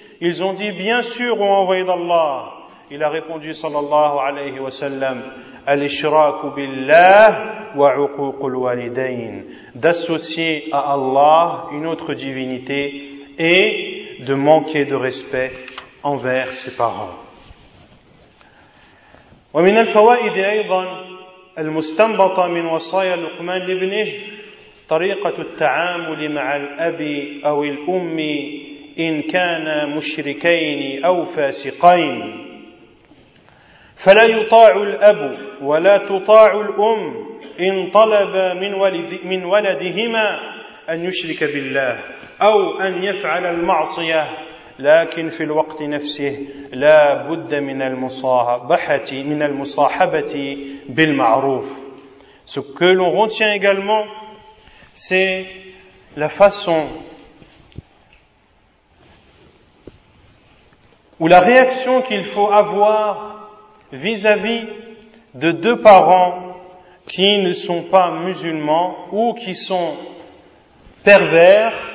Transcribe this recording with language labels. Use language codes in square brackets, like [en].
[fr] Ils ont dit, bien sûr, ô envoyé d'Allah. Il a répondu sallallahu alayhi wa sallam, [ar] al-ishraku billah wa uququl walidain, [fr] d'associer à Allah une autre divinité et de manquer de respect envers ses parents. [ar] Wa min al-fawa'id aydan المستنبطة من وصايا لقمان لابنه طريقة التعامل مع الأب أو الأم إن كان مشركين أو فاسقين فلا يطاع الأب ولا تطاع الأم إن طلب من ولدهما أن يشرك بالله أو أن يفعل المعصية لكن في الوقت نفسه لا بد من المصاحبه بالمعروف. [fr] Ce que l'on retient également, c'est la façon ou la réaction qu'il faut avoir vis-à-vis de deux parents qui ne sont pas musulmans ou qui sont pervers